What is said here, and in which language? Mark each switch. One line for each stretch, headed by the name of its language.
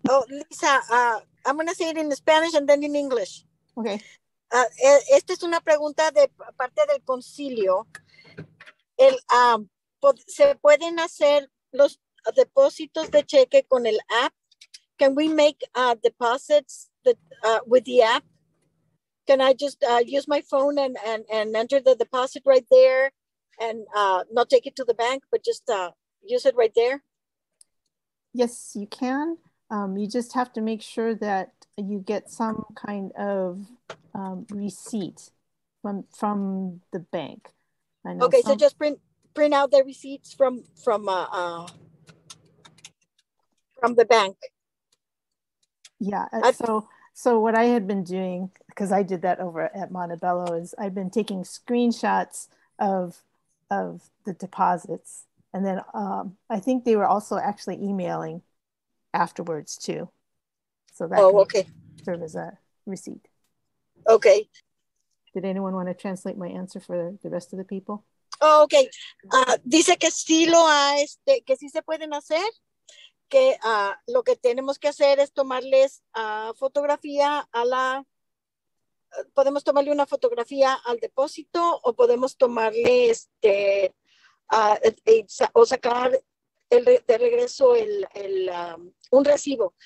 English: Lisa, I'm going to say it in Spanish and then in English. Okay.
Spanish: Esta es una pregunta de parte del concilio. ¿Se pueden hacer los depósitos de cheque con el app?
English: Can we make deposits with the app? Can I just use my phone and enter the deposit right there? And not take it to the bank, but just use it right there? Yes, you can. You just have to make sure that you get some kind of receipt from the bank. Okay, so just print out the receipts from the bank. Yeah, so what I had been doing, because I did that over at Montebello, is I've been taking screenshots of of the deposits. And then I think they were also actually emailing afterwards too. So that serve as a receipt. Okay. Did anyone want to translate my answer for the rest of the people? Oh, okay.
Spanish: Dice que sí lo hay, que sí se pueden hacer, que lo que tenemos que hacer es tomarles fotografía a la, podemos tomarle una fotografía al depósito o podemos tomarle este, o sacar el, de regreso el un recibo.